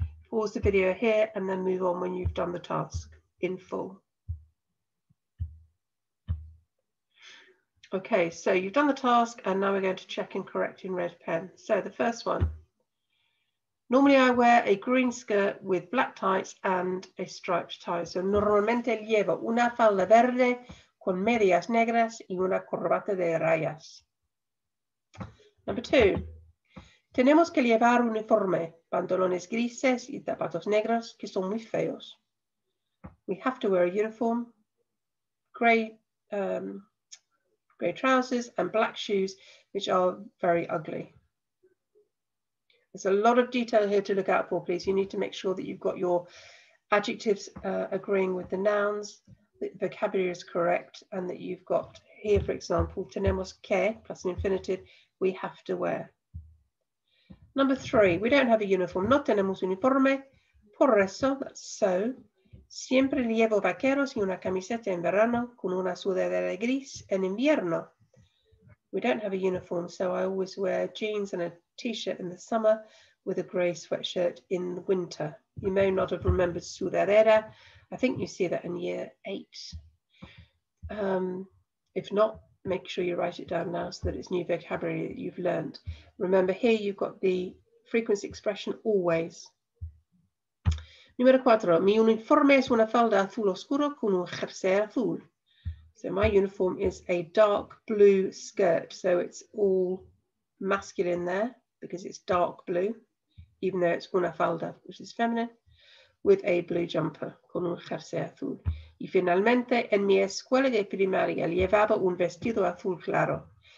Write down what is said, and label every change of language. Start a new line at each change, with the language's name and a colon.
English: Pause the video here and then move on when you've done the task in full. Okay, so you've done the task and now we're going to check and correct in red pen. So the first one. Normally I wear a green skirt with black tights and a striped tie.
Spanish: So normalmente llevo una falda verde con medias negras y una corbata de rayas.
English: Number two.
Spanish: Tenemos que llevar uniforme, pantalones grises y zapatos negros que son muy feos.
English: We have to wear a uniform, grey trousers and black shoes, which are very ugly. There's a lot of detail here to look out for, please. You need to make sure that you've got your adjectives agreeing with the nouns, that the vocabulary is correct, and that you've got here, for example,
Spanish: tenemos que,
English: plus an infinitive, we have to wear. Number three, we don't have a uniform.
Spanish: No tenemos uniforme. Por eso,
English: that's so.
Spanish: Siempre llevo vaqueros y una camiseta en verano con una sudadera gris en invierno.
English: We don't have a uniform, so I always wear jeans and a t-shirt in the summer with a grey sweatshirt in the winter. You may not have remembered sudadera. I think you see that in year eight. If not, make sure you write it down now so that it's new vocabulary that you've learned. Remember, here you've got the frequency expression always.
Spanish: Número cuatro, mi uniforme es una falda azul oscuro con un jersey azul.
English: So my uniform is a dark blue skirt. So it's all masculine there because it's dark blue, even though it's
Spanish: una falda,
English: which is feminine, with a blue jumper,
Spanish: con un jersey azul. Y finalmente, en mi escuela de primaria, llevaba un vestido azul claro.